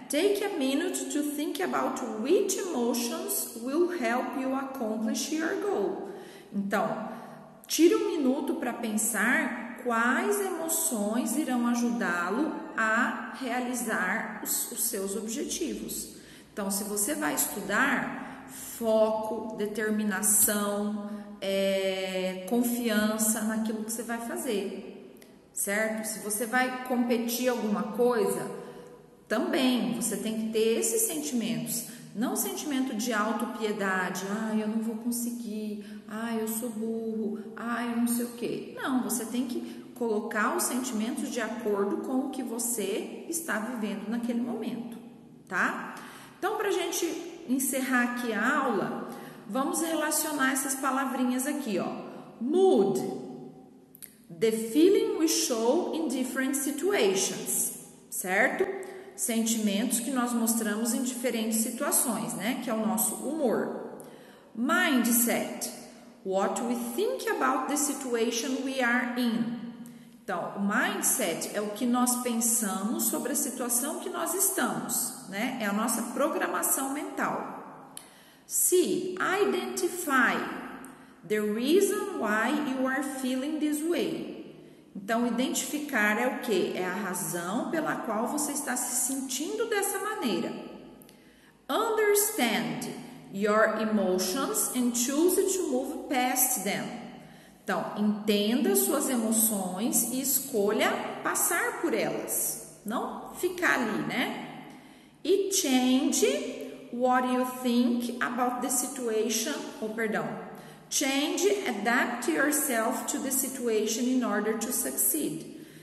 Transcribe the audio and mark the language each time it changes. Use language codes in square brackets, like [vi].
[en] Take a minute to think about which emotions will help you accomplish your goal. [pt] Então, tire um minuto para pensar quais emoções irão ajudá-lo a realizar os seus objetivos. Então, se você vai estudar, foco, determinação, confiança naquilo que você vai fazer, certo? Se você vai competir alguma coisa, também, você tem que ter esses sentimentos. Não sentimento de autopiedade, ah, eu não vou conseguir, ah, eu sou burro, ah, eu não sei o quê. Não, você tem que colocar os sentimentos de acordo com o que você está vivendo naquele momento, tá? Então, para a gente encerrar aqui a aula, vamos relacionar essas palavrinhas aqui, ó. [en] Mood, the feeling we show in different situations, [pt] certo? Sentimentos que nós mostramos em diferentes situações, né? Que é o nosso humor. [en] Mindset, what we think about the situation we are in. [pt] Então, o mindset é o que nós pensamos sobre a situação que nós estamos, né? É a nossa programação mental. [en] Se identify the reason why you are feeling this way. [pt] Então, identificar é o quê? É a razão pela qual você está se sentindo dessa maneira. Understand your emotions and choose to move past them. Então, entenda suas emoções e escolha passar por elas. Não ficar ali, né? [en] E change what you think about the situation. Change, adapt yourself to the situation in order to succeed.